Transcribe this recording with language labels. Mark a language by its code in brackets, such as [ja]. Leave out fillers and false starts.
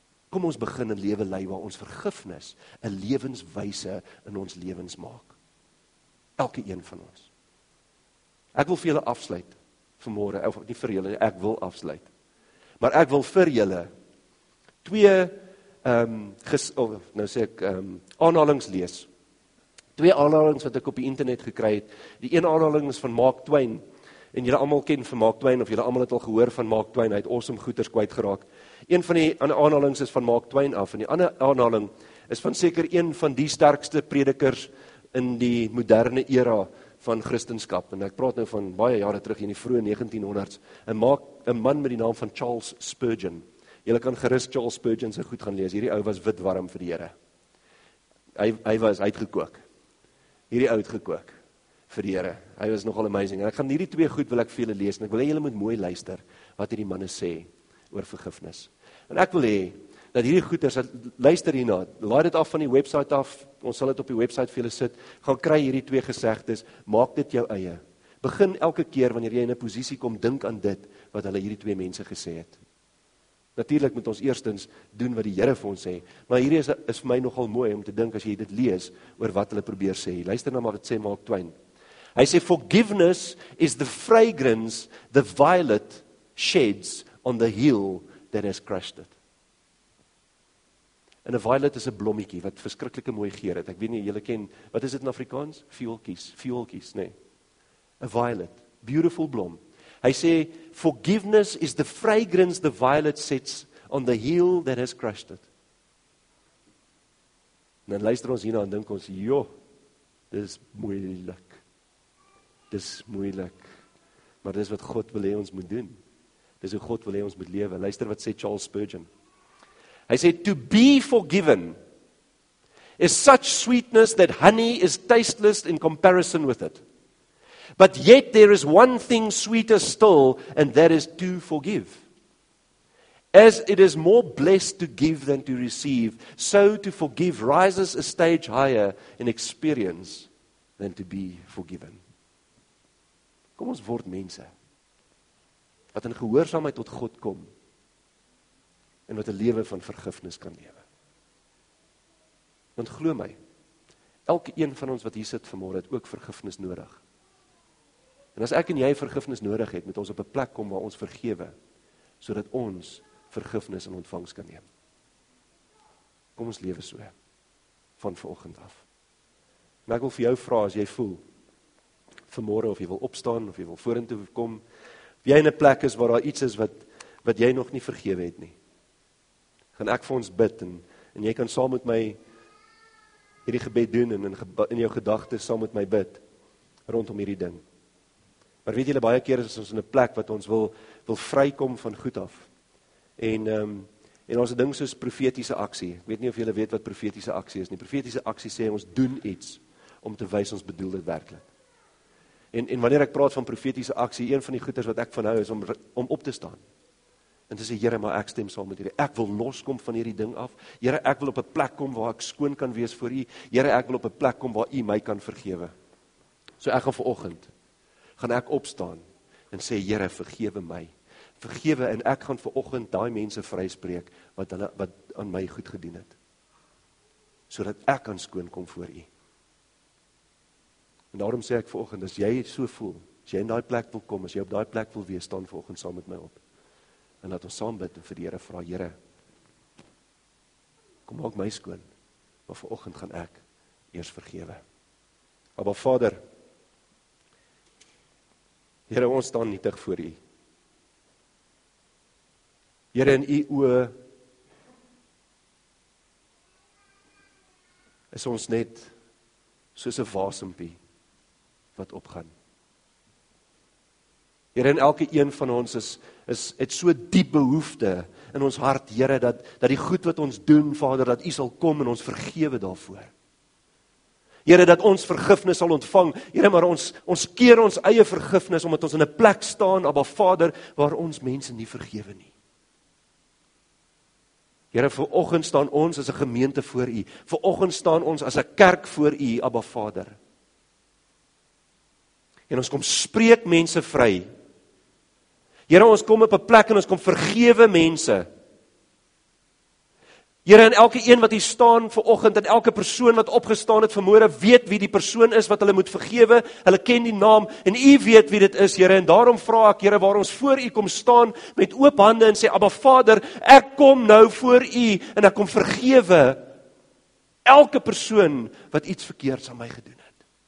[af] Kom ons begin 'n lewe lei waar ons vergifnis 'n lewenswyse in ons lewens maak. elke een van ons. Ek wil vir julle afsluit vanmôre, of nie vir julle, ek wil afsluit. Maar ek wil vir julle twee aanhalings lees. Twee aanhalings wat ek op die internet gekry het. Die een aanhaling is van Mark Twain. En julle almal ken van Mark Twain, of julle almal het al gehoor van Mark Twain, hy het awesome goeders kwyt geraak. Een van die aanhalings is van Mark Twain af, en die ander aanhaling is van seker een van die sterkste predikers in die moderne era van Christendom. En ek praat nou van baie jare terug in die vroeë 1900s, een man met die naam van Charles Spurgeon. Julle kan gerus Charles Spurgeon se goed gaan lees, hierdie ou was wit warm vir die Here. Hy was uitgekook, hierdie ou uitgekook. Vir die Here. Hy was nogal amazing. En ek gaan hierdie twee goed wil ek vir julle lees, en ek wil hê julle moet mooi luister wat hierdie manne sê oor vergifnis. En ek wil hê dat hierdie goeders, luister hierna, laai dit af van die website af, ons sal dit op die website vir julle sit, gaan kry hierdie twee gesegdes, maak dit jou eie. Begin elke keer wanneer jy in 'n posisie kom, dink aan dit wat hulle hierdie twee mense gesê het. Natuurlik moet ons eerstens doen wat die Here vir ons sê, maar hierdie is vir my nogal mooi om te dink as jy dit lees oor wat hulle probeer sê. Luister nou maar wat sê Mark Twain. Hy sê, [en] forgiveness is the fragrance the violet sheds on the hill that has crushed it. [af] En 'n violet is 'n blommetjie wat verskriklike mooi geur het. Ek weet nie, julle ken, wat is dit in Afrikaans? Vioolkies, nee. [en] A violet, beautiful [af] blom. Hy sê, [en] forgiveness is the fragrance the violet sets on the hill that has crushed it. [af] En dan luister ons hierna en dink ons, joh, dit is moeilik. Dis moeilik, maar dis wat God wil hê ons moet doen. Dis hoe God wil hê ons moet lewe. Luister wat sê Charles Spurgeon. Hy sê, [en] to be forgiven is such sweetness that honey is tasteless in comparison with it. But yet there is one thing sweeter still, and that is to forgive. As it is more blessed to give than to receive, so to forgive rises a stage higher in experience than to be forgiven. [af] Kom ons word mense, wat in gehoorsaamheid tot God kom, en wat 'n lewe van vergifnis kan lewe. Want glo my, elke een van ons wat hier sit vanmôre het ook vergifnis nodig. En as ek en jy vergifnis nodig het, moet ons op 'n plek kom waar ons vergewe, sodat ons vergifnis in ontvangs kan neem. Kom ons lewe so, van vanoggend af. En ek wil vir jou vra, as jy voel, vanmôre of jy wil opstaan, of jy wil vorentoe kom, of jy in 'n plek is waar daar iets is wat jy nog nie vergewe het nie, gaan ek vir ons bid, en jy kan saam met my hierdie gebed doen, en in jou gedagtes saam met my bid, rondom hierdie ding. Maar weet julle, baie keer is ons in 'n plek wat ons wil vrykom van goed af, en ons ding soos profetiese aksie, ek weet nie of julle weet wat profetiese aksie is nie, profetiese aksie sê ons doen iets, om te wys ons bedoel dit werklik. En wanneer ek praat van profetiese aksie, een van die goeders wat ek van hou is om op te staan. En te sê, Here, maar ek stem saam met hierdie. Ek wil loskom van hierdie ding af. Here, ek wil op 'n plek kom waar ek skoon kan wees voor u. Here, ek wil op 'n plek kom waar u my kan vergewe. So ek gaan vanoggend, gaan ek opstaan en sê, Here, vergewe my. Vergewe, en ek gaan vanoggend daai mense vryspreek wat aan my goed gedoen het. Sodat ek kan skoon kom voor u. En daarom sê ek vanoggend, as jy so voel, as jy in daai plek wil kom, as jy op daai plek wil wees, staan vanoggend saam met my op. En laat ons saam bid en vir die Here vra, Here, kom maak my skoon, maar vanoggend gaan ek eers vergewe. Abba Vader, Here, ons staan nietig voor u. Here, in u oë is ons net soos 'n wasempie wat opgaan. Here, en elke een van ons is het so diep behoefte in ons hart, Here, dat die goed wat ons doen, Vader, dat U sal kom en ons vergewe daarvoor. Here, dat ons vergifnis sal ontvang. Here, maar ons keer ons eie vergifnis omdat ons in 'n plek staan, Abba Vader, waar ons mense nie vergewe nie. Here, vanoggend staan ons as 'n gemeente voor U. Vanoggend staan ons as 'n kerk voor U, Abba Vader. En ons kom spreek mense vry. Here, ons kom op 'n plek en ons kom vergewe mense. Here, en elke een wat hier staan vanoggend, en elke persoon wat opgestaan het vanmôre, weet wie die persoon is wat hulle moet vergewe, hulle ken die naam, en u weet wie dit is, Here, en daarom vra ek, Here, waar ons voor u kom staan met oop hande en sê, Abba Vader, ek kom nou voor u, en ek kom vergewe elke persoon wat iets verkeerds aan my gedoen het.